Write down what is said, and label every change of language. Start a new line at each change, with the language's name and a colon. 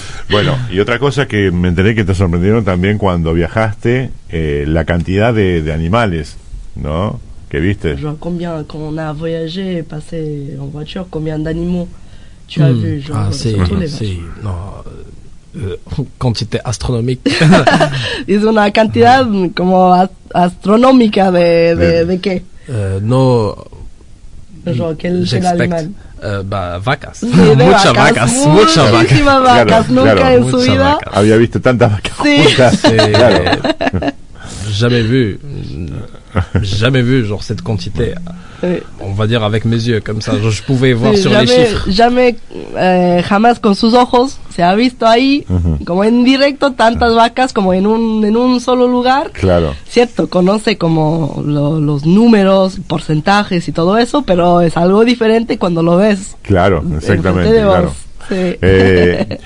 Spanish: Bueno, y otra cosa que me enteré que te sorprendieron también cuando viajaste, la cantidad de animales, ¿no? ¿Qué viste?
French: Genre combien, quand on a voyagé, passé en voiture, combien d'animaux tu as vu? Genre, ah, si, si, no, quantité astronomique.
Spanish: Es una cantidad como astronómica de qué? No,
French: genre, quel est l'animal?
Spanish: Vacas. Sí, muchas vacas, muchas vacas. Muchísimas vacas, vacas. Claro, nunca claro, en su vida. Vacas. Había visto tantas vacas. Sí, juntas. Sí, claro.
French: Jamais vu genre cette quantité. On va dire avec mes yeux comme ça, genre, je pouvais voir sí, sur jamais, les chiffres.
Spanish: Jamais jamás con sus ojos se ha visto ahí uh-huh. como en directo tantas vacas como en un solo lugar. Claro. Cierto, conoce como los números, porcentajes y todo eso, pero es algo diferente cuando lo ves. Claro, exactamente, claro. Sí.